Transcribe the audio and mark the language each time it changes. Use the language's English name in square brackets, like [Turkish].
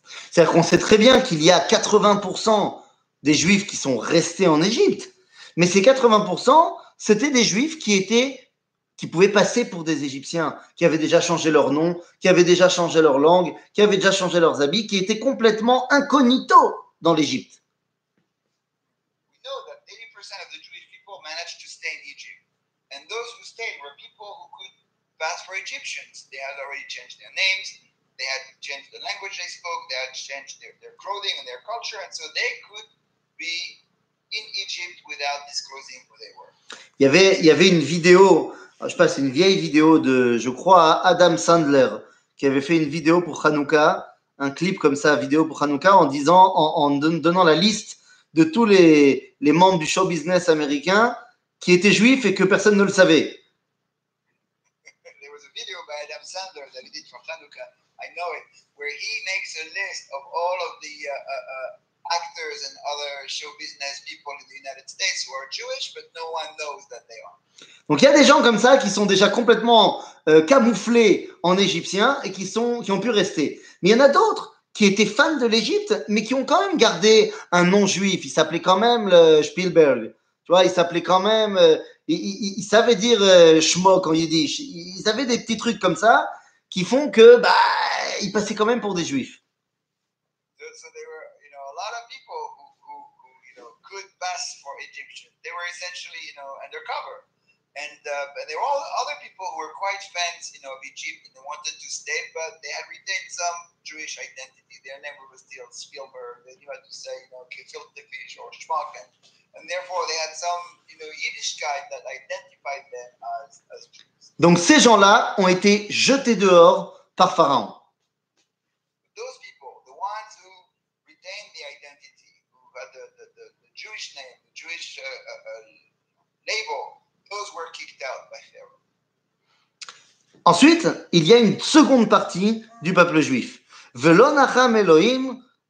[French] C'est-à-dire qu'on sait très bien qu'il y a 80% des juifs qui sont restés en Égypte, mais ces 80%, c'était des juifs qui pouvaient passer pour des Égyptiens, qui avaient déjà changé leur nom, qui avaient déjà changé leur langue, qui avaient déjà changé leurs habits, qui étaient complètement incognito dans l'Égypte. [English] We know that 80% of the Jewish people managed to stay in Egypt. And those who stayed were people who could pass for Egyptians. They had already changed their names, they had changed the language they spoke, they had changed their clothing and their culture, and so they could be in Egypt without disclosing who they were. [French] Il y avait une vidéo, je sais pas, c'est une vieille vidéo de, je crois, Adam Sandler, qui avait fait une vidéo pour Hanouka, un clip comme ça, vidéo pour Hanouka, en disant, en donnant la liste de tous les membres du show business américain qui était juif et que personne ne le savait. [English] There was a video by Adam Sandler that he did for Hanukkah. I know it, where he makes a list of all of the actors and other show business people in the United States who are Jewish, but no one knows that they are. [French] Donc il y a des gens comme ça qui sont déjà complètement camouflés en égyptien et qui ont pu rester. Mais il y en a d'autres qui étaient fans de l'Égypte, mais qui ont quand même gardé un nom juif. Il s'appelait quand même le Spielberg. Tu vois, il s'appelait quand même, il savait dire schmock en yiddish. Ils avaient des petits trucs comme ça qui font que, bah, ils passaient quand même pour des juifs. [English] So there were, you know, a lot of people who, you know, could pass for Egyptian. They were essentially, you know, undercover. And there were all other people who were quite fans, you know, of Egypt and they wanted to stay, but they had retained some Jewish identity. Their name was still Spielberg. They knew how to say, you know, kefiltefish or schmock. And therefore, they had some, you know, Yiddish guy that identified them as Jews. [French] Donc ces gens-là ont été jetés dehors par Pharaon. [English] Those people, the ones who retained the identity, who had the Jewish name, the Jewish label, those were kicked out by Pharaoh. [French] Ensuite, il y a une seconde partie du peuple juif. [Hebrew] Velo nacham Elohim.